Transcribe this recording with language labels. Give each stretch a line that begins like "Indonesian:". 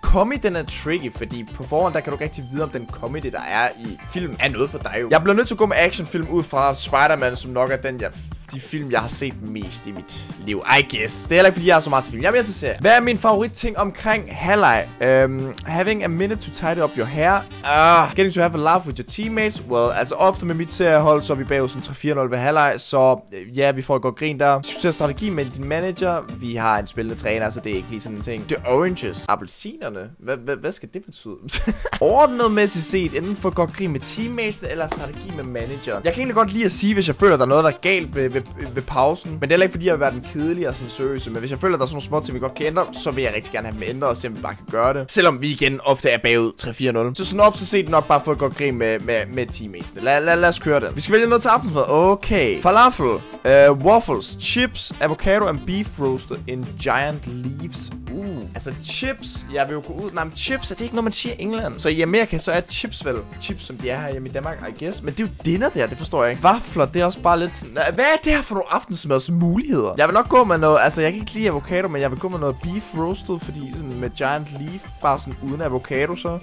Danish: Comedy, den er tricky, fordi på forhånd, der kan du ikke rigtig vide, om den comedy, der er i film, er noget for dig jo. Jeg bliver nødt til at gå med actionfilm ud fra Spider-Man, som nok er den, de film, jeg har set mest i mit liv,
English: I guess.
Danish: Det er heller ikke, fordi jeg er så meget til film. Jeg er mere til serie. Hvad er min favorit ting omkring halvleg?
English: Having a minute to tidy up your hair. Getting to have a laugh with your teammates.
Danish: Well, altså ofte med mit seriehold, så er vi bagud sådan 3-4-0 ved halvleg. Så ja, vi får et godt grin der. Diskuterer strategi med din manager. Vi har en spillende træner, så det er ikke lige sådan en ting.
English: The oranges.
Danish: Appelsinerne. Hvad skal det betyde? Ordnetmæssigt set, enten for godt grin med teammates eller strategi med manager. Jeg kan egentlig godt lide at sige, hvis jeg føler, der er noget, der er galt ved pausen. Men det er heller ikke fordi jeg vil være den kedelige og sådan seriøse. Men hvis jeg føler at der er sådan nogle små ting vi godt kan ændre, så vil jeg rigtig gerne have dem ændret og se om vi bare kan gøre det. Selvom vi igen ofte er bagud 3-4-0. Så sådan ofte set nok bare få et godt grin med teammates. Lad os køre den. Vi skal vælge noget til aftensmad. Okay.
English: Falafel, waffles, chips, avocado and beef roasted in giant leaves.
Danish: Altså chips, jeg vil jo gå ud. Nej, men chips, er det ikke noget, man siger i England? Så i Amerika, så er chips vel chips, som de er her hjemme i Danmark,
English: I guess.
Danish: Men det er jo dinner der, det forstår jeg ikke. Vafler, det er også bare lidt sådan. Hvad er det her for nogle aftensmadsmuligheder? Jeg vil nok gå med noget, altså jeg kan ikke lide avocado, men jeg vil gå med noget beef roasted, fordi sådan med giant leaf, bare sådan uden avocado så.